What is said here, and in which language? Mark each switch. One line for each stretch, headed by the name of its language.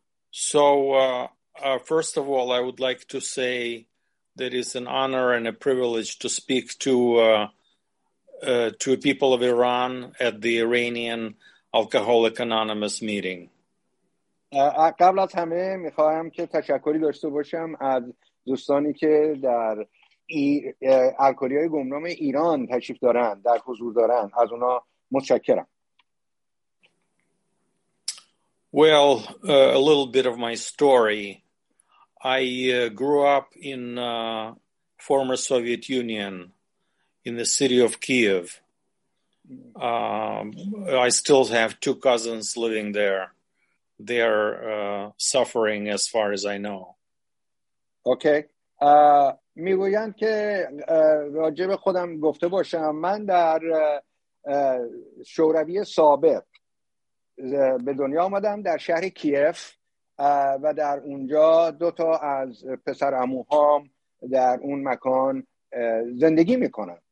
English: So first of all, I would like to say that it's an honor and a privilege to speak to people of Iran at the Iranian Alcoholic Anonymous meeting.
Persian: قبل از همه میخواهم که تشکری داشته باشم از دوستانی که در الکلی های گمنام ایران تشریف دارن، در حضور دارن، از اونا متشکرم.
English: Well, a little bit of my story. I grew up in former Soviet Union in the city of Kiev. I still have two cousins living there. They are suffering as far as I know. Okay.
Persian: میگویند که راجع به خودم گفته باشم، من در شوروی سابق به دنیا آمدم در شهر کیف و در اونجا دو تا از پسر عموهام در اون مکان زندگی میکنن.